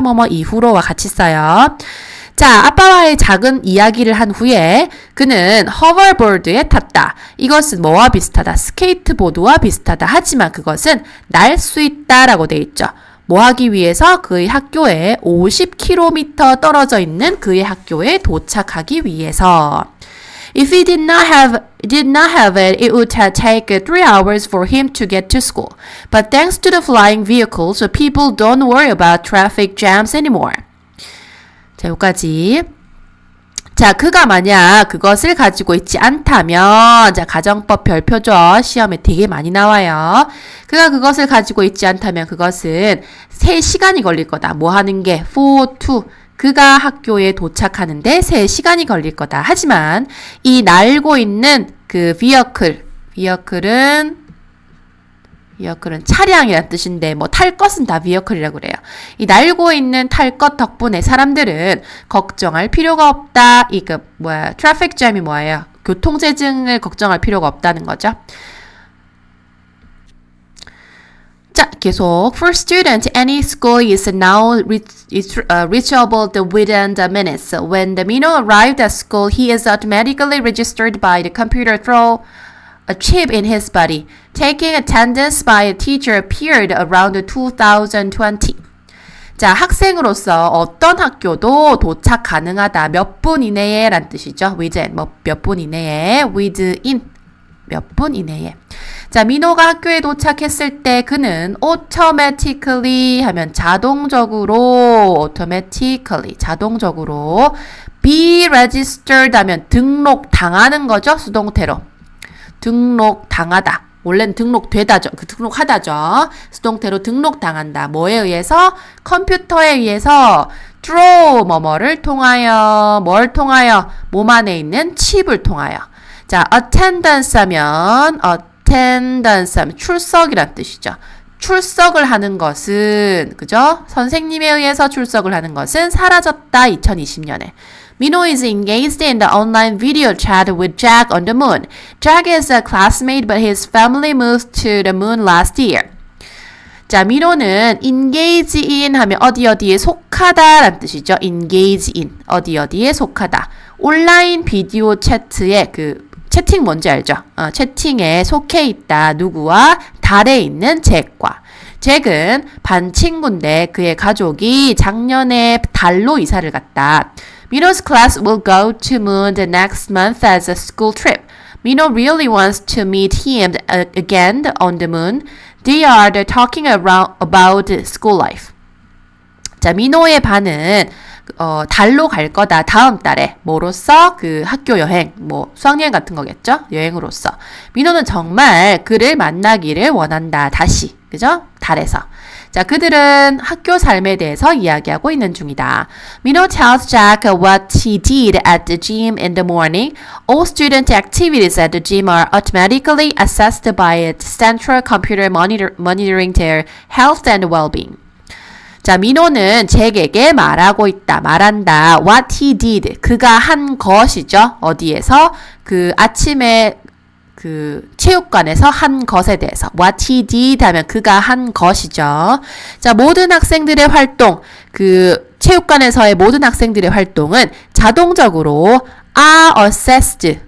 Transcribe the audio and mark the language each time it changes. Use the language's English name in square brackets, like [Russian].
[Korean] 뭐뭐 이후로와 같이 써요. 자, 아빠와의 작은 이야기를 한 후에 그는 hoverboard에 탔다. 이것은 뭐와 비슷하다? 스케이트보드와 비슷하다. 하지만 그것은 날 수 있다라고 돼 있죠. 뭐 하기 위해서 그의 학교에 50km 떨어져 있는 그의 학교에 도착하기 위해서. [English] If he did not have it, it would have taken 3 hours for him to get to school. But thanks to the flying vehicles, people don't worry about traffic jams anymore. [Korean] 자, 여기까지. 자, 그가 만약 그것을 가지고 있지 않다면, 자, 가정법 별표죠. 시험에 되게 많이 나와요. 그가 그것을 가지고 있지 않다면 그것은 3시간이 걸릴 거다. 뭐 하는 게? 4, 2. 그가 학교에 도착하는데 3시간이 걸릴 거다. 하지만, 이 날고 있는 그 vehicle은 차량이란 뜻인데, 뭐, 탈 것은 다 vehicle이라고 그래요. 이 날고 있는 탈것 덕분에 사람들은 걱정할 필요가 없다. traffic jam이 뭐예요? 교통체증을 걱정할 필요가 없다는 거죠. 자, 계속. [English] For students, any school is now reachable within the minutes. When the minion arrived at school, he is automatically registered by the computer through a chip in his body. Taking attendance by a teacher appeared around 2020. [Korean] 자, 학생으로서 어떤 학교도 도착 가능하다. 몇분 이내에 란 뜻이죠. Within, 뭐몇분 이내에. Within, 몇분 이내에. 자, 민호가 학교에 도착했을 때 그는 automatically 하면 자동적으로, automatically, 자동적으로 [English] be registered [Korean] 하면 등록 당하는 거죠. 수동태로. 등록 당하다. 원래는 등록되다죠. 그 등록하다죠. 수동태로 등록 당한다. 뭐에 의해서? 컴퓨터에 의해서 through 뭐뭐를 통하여, 뭘 통하여? 몸 안에 있는 칩을 통하여. 자, attendance 하면 attendance 하면 출석이란 뜻이죠. 출석을 하는 것은, 그죠? 선생님에 의해서 출석을 하는 것은 사라졌다. 2020년에. [English] Mino is engaged in the online video chat with Jack on the moon. Jack is a classmate, but his family moved to the moon last year. [Korean] 자, Mino는 [English] engage in [Korean] 하면 어디 어디에 속하다라는 뜻이죠. [English] Engage in [Korean] 어디 어디에 속하다. 온라인 비디오 채트에 그 채팅 뭔지 알죠? 채팅에 속해 있다. 누구와? 달에 있는 잭과. 잭은 반 친구인데 그의 가족이 작년에 달로 이사를 갔다. [English] Mino's class will go to moon the next month as a school trip. Mino really wants to meet him again on the moon. They are talking about school life. [Korean] 자, 미노의 반은 달로 갈 거다. 다음 달에 뭐로써? 그 학교 여행, 뭐 수학여행 같은 거겠죠? 여행으로써. 미노는 정말 그를 만나기를 원한다. 다시, 그죠? 달에서. 자, 그들은 학교 삶에 대해서 이야기하고 있는 중이다. [English] Mino tells Jack what he did at the gym in the morning. All student activities at the gym are automatically assessed by its central computer monitoring their health and well-being. [Korean] 자, 민호는 잭에게 말하고 있다. 말한다. [English] What he did. [Korean] 그가 한 것이죠. 어디에서? 그 아침에 그 체육관에서 한 것에 대해서. [English] What he did [Korean] 하면 그가 한 것이죠. 자, 모든 학생들의 활동, 그 체육관에서의 모든 학생들의 활동은 자동적으로 [English] are assessed.